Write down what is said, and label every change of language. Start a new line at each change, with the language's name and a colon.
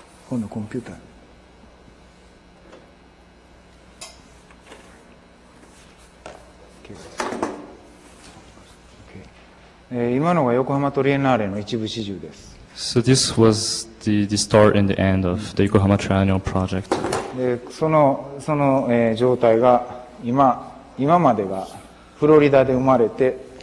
Japanese: 今度コンピューター。今のが横浜トリエンナーレの一部始終です。
English: So this was the start and the end of the Yokohama Triennial Project.
Japanese: その状態が今までがフロリダで生まれて、